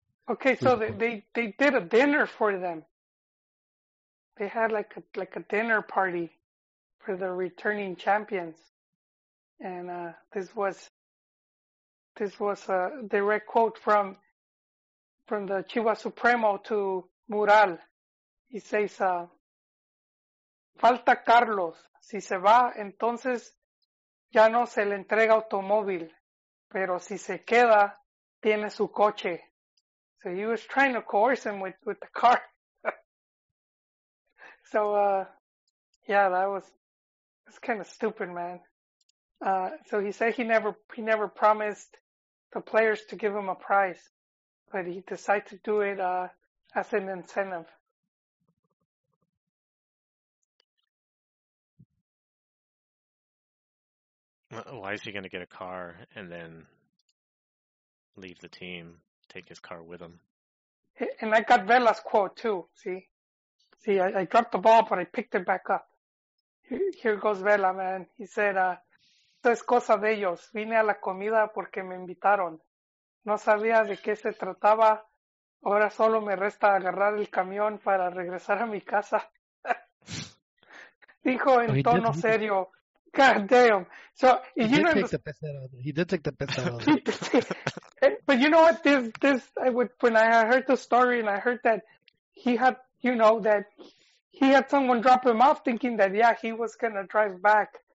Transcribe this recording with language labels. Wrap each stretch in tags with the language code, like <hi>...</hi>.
<en>Okay, please, so they did a dinner for them. They had like a dinner party for the returning champions. And this was a direct quote from the Chivas Supremo to Mural. He says,</en> <es>falta Carlos. Si se va, entonces ya no se le entrega automóvil. Pero si se queda, tiene su coche.</es> <en>So he was trying to coerce him with the car. So, yeah, that was, it's kind of stupid, man. So he said he never promised the players to give him a prize, but he decided to do it, as an incentive. Why is he going to get a car and then leave the team, take his car with him? And I got Vela's quote too, see? See, I dropped the ball, but I picked it back up. Here goes Vela, man. He said,</en> <es>esto es cosa de ellos. Vine a la comida porque me invitaron. No sabía de qué se trataba. Ahora solo me resta agarrar el camión para regresar a mi casa. Dijo en tono serio.</es> <en>God damn. So, he did take the piss out of it. But you know what? When I heard the story and I heard that he had, you know, that he had someone drop him off thinking that, yeah, he was going to drive back.</en>